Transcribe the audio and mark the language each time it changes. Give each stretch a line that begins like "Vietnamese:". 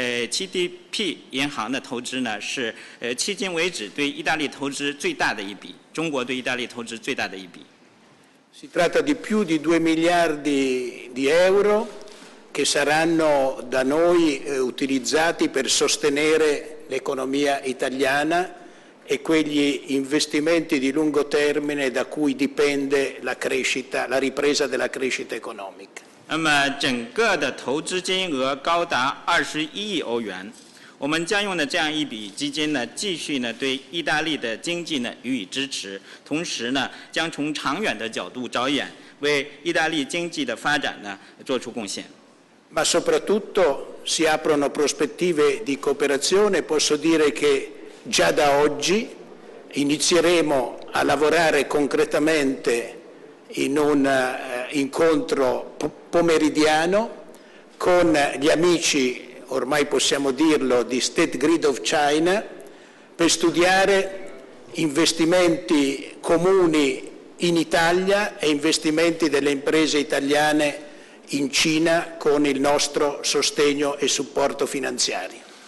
Chinese: GDP银行的投资呢是迄今为止对意大利投资最大的一笔，中国对意大利投资最大的一笔。
Italian: Si tratta di più di 2 miliardi di euro che saranno da noi utilizzati per sostenere l'economia italiana e quegli investimenti di lungo termine da cui dipende la crescita, la ripresa della crescita economica.
Chinese: 那么整个的投资金额高达 21亿欧元，我们将用的这样一笔基金呢，继续呢对意大利的经济呢予以支持，同时呢将从长远的角度着眼，为意大利经济的发展呢做出贡献。
Italian: Ma soprattutto si aprono prospettive di cooperazione. Posso dire che già da oggi inizieremo a lavorare concretamente in un incontro pomeridiano con gli amici, ormai possiamo dirlo, di State Grid of China, per studiare investimenti comuni in Italia e investimenti delle imprese italiane in Cina con il nostro sostegno e supporto finanziario.